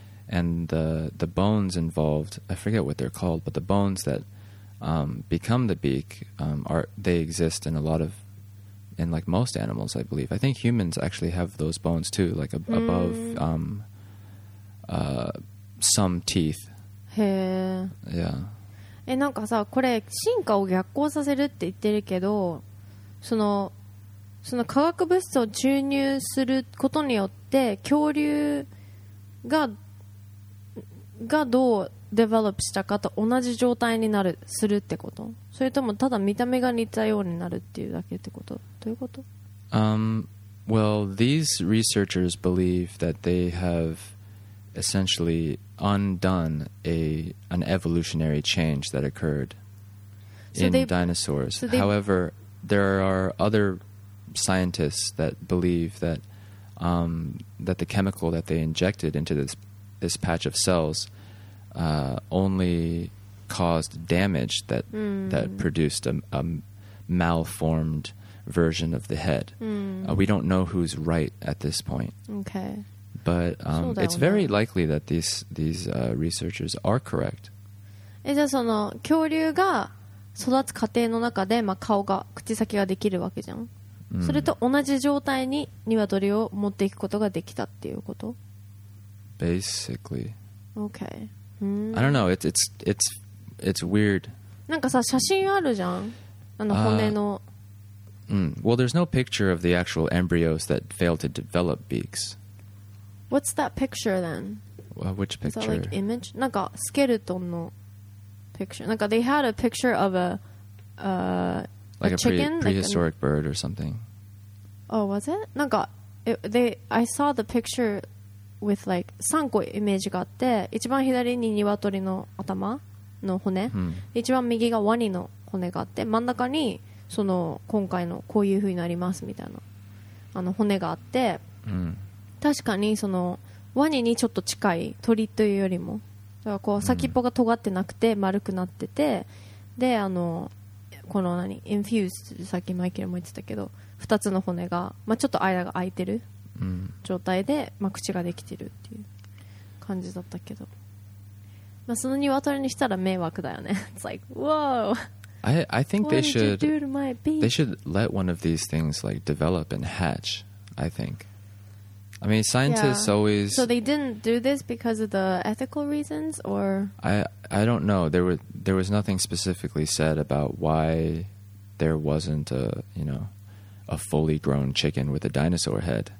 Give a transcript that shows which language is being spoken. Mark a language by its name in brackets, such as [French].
[English] And the bones involved, I forget what they're called, but the bones that become the beak, they exist in a lot of, in like most animals, I believe. I think humans actually have those bones too, like above some teeth. Yeah. [Japanese] え、なんかさ、これ進化を逆行させるって言ってるけど、その化学物質を注入することによって恐竜がどうデベロップしたかと同じ状態になるするってこと？それともただ見た目が似たようになるっていうだけってこと？どういうこと？ [English] Well, these researchers believe that they have essentially undone an evolutionary change that occurred in dinosaurs. However, there are other scientists that believe that, that the chemical that they injected into this patch of cells only caused damage that, that produced a malformed version of the head. We don't know who's right at this point. Okay. But it's very likely that these researchers are correct. [Japanese] じゃあその恐竜が育つ過程の中で、まあ、顔が口先ができるわけじゃん、それと同じ状態にニワトリを持っていくことができたっていうこと？ [English] Basically. Okay. I don't know. It's weird. [Japanese] なんかさ写真あるじゃん、あの骨の。 [English] Well, there's no picture of the actual embryos that failed to develop beaks. What's that picture then? Which picture? Is that like image? [Japanese] なんかスケルトンの [English] picture. なんか they had a picture of a like a chicken? Prehistoric like bird or something. Oh, was it? [Japanese] なんか [English] I saw the picture with like [Japanese] 3個イメージがあって、一番左にニワトリの頭の骨、一番右がワニの骨があって、真ん中にその今回のこういう風になりますみたいなあの骨があって、確かにそのワニにちょっと近い鳥というよりもだからこう先っぽが尖ってなくて丸くなってて、であのこの何インフューズ、さっきマイケルも言ってたけど2つの骨が、まあ、ちょっと間が空いてる状態で、まあ、口ができてるっていう感じだったけど、まあ、そのニワトリにしたら迷惑だよね。 [English] It's like whoa。 I think they should, let one of these things like develop and hatch, I think. I mean, scientists always... So they didn't do this because of the ethical reasons, or... I don't know. There was nothing specifically said about why there wasn't a, you know, a fully grown chicken with a dinosaur head.